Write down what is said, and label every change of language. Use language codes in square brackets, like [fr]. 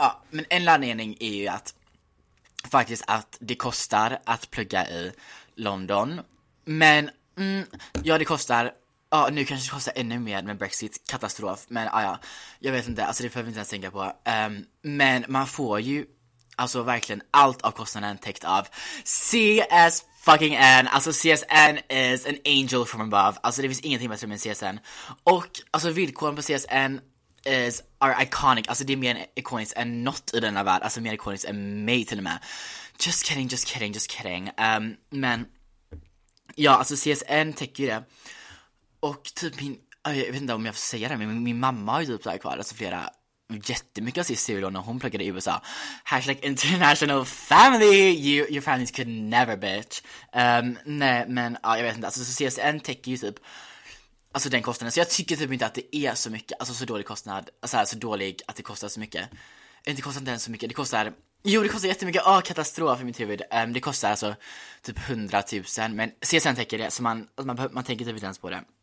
[sv] Men en anledning är ju att faktiskt att det kostar att plugga i London. Men ja, det kostar. Ja, nu kanske det kostar ännu mer med Brexit, katastrof. Men ja, jag vet inte, alltså det behöver vi inte ens tänka på. Men man får ju alltså verkligen allt av kostnaden täckt av CS fucking N. [en] Alltså CSN is an angel from above. [sv] Alltså det finns ingenting bättre än CSN. Och alltså villkoren på CSN [en] is are iconic. [sv] Alltså det är mer ikoniskt än något i denna värld. Alltså mer ikoniskt än mig till och med. [en] Just kidding. [sv] Men ja, alltså CSN täcker ju det. Och typ min, jag vet inte om jag får säga det, men min mamma har ju typ såhär kvar, alltså flera, jättemycket av sitt studielån när hon pluggade i USA. [en] Hashtag international family, your families could never, bitch. [sv] Nej, men ja, jag vet inte, alltså så CSN täcker ju typ, alltså den kostnaden. Så jag tycker typ inte att det är så mycket, alltså så dålig kostnad, alltså så dålig att det kostar så mycket. Inte kostar den så mycket, det kostar, jo det kostar jättemycket, åh, katastrof i mitt huvud. Det kostar alltså typ 100 000, men CSN täcker det, så man tänker typ inte ens på det.